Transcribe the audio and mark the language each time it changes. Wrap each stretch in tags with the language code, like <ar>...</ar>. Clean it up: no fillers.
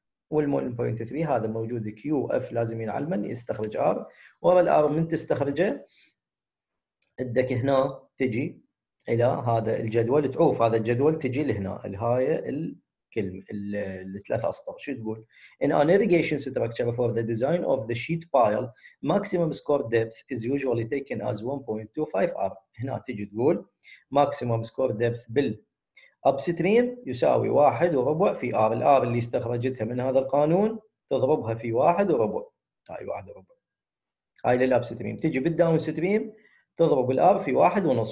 <ar>وال 1.3 هذا موجود كيو اف لازم ينعلمن يستخرج ار، ورا الار من تستخرجه عندك هنا تجي الى هذا الجدول، تعوف هذا الجدول تجي لهنا الهاي كلمة الثلاث أسطر. شو تقول؟</ar> <en>In a navigation structure for the design of the sheet pile, maximum score depth is usually taken as 1.25 R.</en> <ar>هنا تجي تقول</ar> <en>maximum score depth</en> <ar>بال upstream يساوي 1.25 في R. ال R اللي استخرجتها من هذا القانون تضربها في 1.25. هاي 1.25. هاي لل upstream. تجي بال downstream تضرب ال R في 1.5.</ar>